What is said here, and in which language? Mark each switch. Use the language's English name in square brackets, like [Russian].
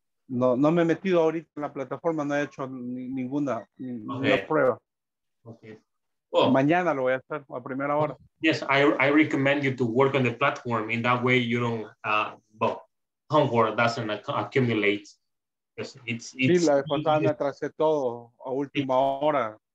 [Spanish] No me he metido ahorita en la plataforma, no he hecho ninguna prueba. [English] Okay. [Spanish] Mañana lo voy a hacer a primera hora. [English] Yes, I recommend you to work on the platform. In that way, you don't homework doesn't accumulate. Yes, it's [Spanish] sí, la contaba, me atrasé todo a última hora.